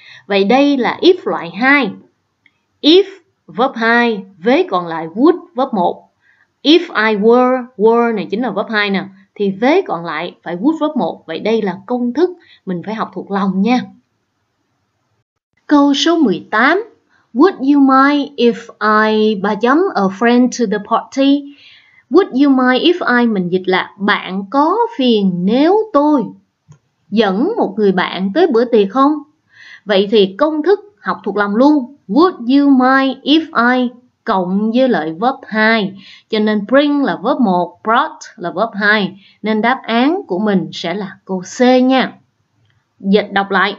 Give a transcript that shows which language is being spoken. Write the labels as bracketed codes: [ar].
[vi] Vậy đây là if loại 2. If verb 2, vế còn lại would verb 1. If I were này chính là verb 2 nè. Thì vế còn lại phải would verb 1. Vậy đây là công thức mình phải học thuộc lòng nha. Câu số 18. [en] Would you mind if I [vi] ba chấm [en] a friend to the party? Would you mind if I, [vi] mình dịch là bạn có phiền nếu tôi dẫn một người bạn tới bữa tiệc không? Vậy thì công thức học thuộc lòng luôn. [en] Would you mind if I [vi] cộng với lại verb 2. Cho nên bring là verb 1, brought là verb 2. Nên đáp án của mình sẽ là câu C nha. Dịch đọc lại.